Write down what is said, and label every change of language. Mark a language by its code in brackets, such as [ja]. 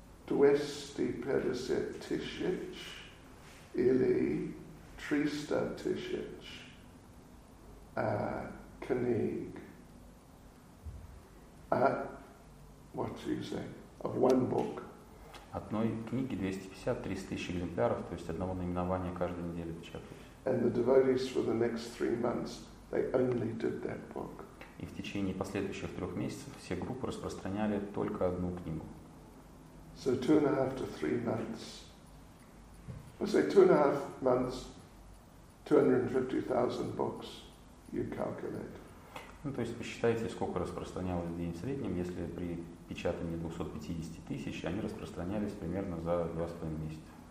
[ru] 250 тысяч или 300 тысяч книг. [en] What do you say? Of one book. [ru] Одной книги 250-300 тысяч экземпляров, то есть одного наименования каждую неделю печатать. [en] And the devotees for the next 3 months they only did that book. [ru] И в течение последующих 3 месяцев все группы распространяли только одну книгу. [en] So 2.5 to 3 months. We say 2.5 months, 250,000 books. You calculate. [ru] Ну, то есть посчитайте, сколько распространялось в день в среднем, если при печатании 250 тысяч они распространялись примерно за 2.5 месяца.